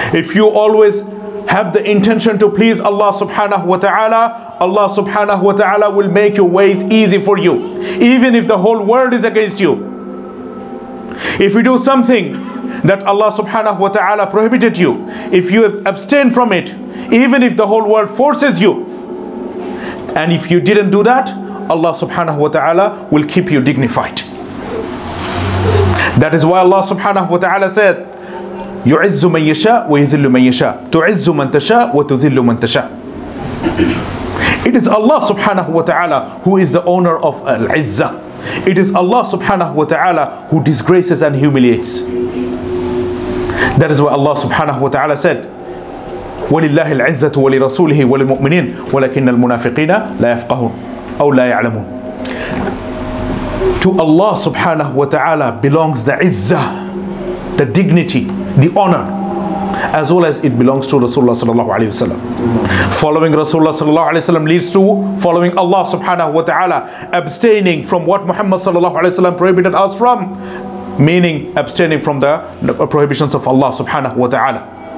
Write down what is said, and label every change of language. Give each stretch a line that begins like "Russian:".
English: If you always have the intention to please Allah subhanahu wa ta'ala, Allah subhanahu wa ta'ala will make your ways easy for you, even if the whole world is against you. If you do something that Allah subhanahu wa ta'ala prohibited you, if you abstain from it, even if the whole world forces you, and if you didn't do that, Allah subhanahu wa ta'ala will keep you dignified. That is why Allah subhanahu wa ta'ala said,
Arabic: يُعِزُّ مَنْ يَشَاءُ وَيُذِلُّ مَنْ يَشَاءُ تُعِزُّ مَنْ تَشَاءُ وَتُذِلُّ مَنْ تَشَاءُ.
English: It is Allah subhanahu wa ta'ala who is the owner of al-izzah. It is Allah subhanahu wa ta'ala who disgraces and humiliates. That is why Allah subhanahu wa ta'ala said,
Arabic: وَلِلَّهِ الْعِزَّةُ وَلِرَسُولِهِ وَلِلْمُؤْمِنِينَ وَلَكِنَّ الْمُنَافِقِينَ لَا يَفْقَهُونَ أَوْ لَا يَعْلَمُونَ.
English: To Allah subhanahu wa ta'ala belongs the izzah, the dignity, the honor, as well as it belongs to Rasulullah sallallahu alayhi wa sallam. Following Rasulullah sallallahu alayhi wa sallam leads to following Allah subhanahu wa ta'ala, abstaining from what Muhammad sallallahu alayhi wa sallam prohibited us from, meaning abstaining from the prohibitions of Allah subhanahu wa ta'ala.